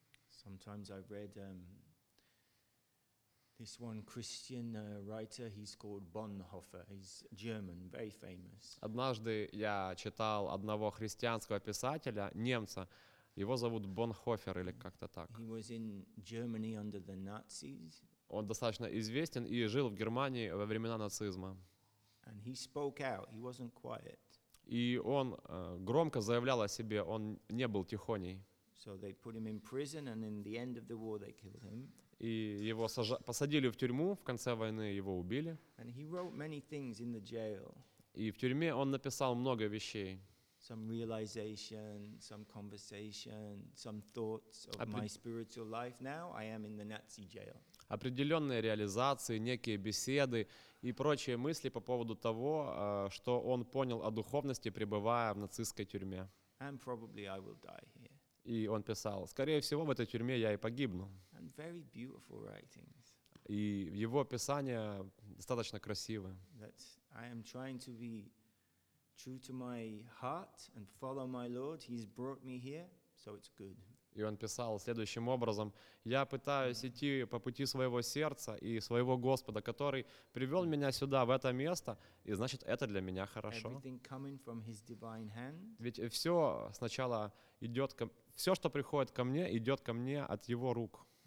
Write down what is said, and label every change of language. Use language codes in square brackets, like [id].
[en] Sometimes I've read this one Christian writer. He's called Bonhoeffer. He's German, very famous. [ru] Однажды я читал одного христианского писателя, немца. Его зовут Бонхофер или как-то так. [en] He was in Germany under the Nazis. [ru] Он достаточно известен и жил в Германии во времена нацизма. [en] And he spoke out. He wasn't quiet. [ru] И он громко заявлял о себе. Он не был тихоней. [en] So they put him in prison, and in the end of the war, they killed him. [ru] И его посадили в тюрьму, в конце войны его убили. [en] And he wrote many things in the jail. [ru] И в тюрьме он написал много вещей. [en] Some realization, some conversation, some thoughts of my spiritual life. Now I am in the Nazi jail. [ru] Определенные реализации, некие беседы и прочие мысли по поводу того, что он понял о духовности, пребывая в нацистской тюрьме. [en] And probably I will die here. [ru] И он писал, скорее всего, в этой тюрьме я и погибну. [en] And very beautiful writings. [ru] И его писания достаточно красивы. [en] I am trying to be true to my heart and follow my Lord. He's brought me here, so it's good. [ru] И он писал следующим образом, я пытаюсь идти по пути своего сердца и своего Господа, который привел меня сюда, в это место, и значит, это для меня хорошо. [en] Everything coming from his divine hand. [ru] Ведь все сначала идет ко мне. Все, что приходит ко мне, идет ко мне от Его рук.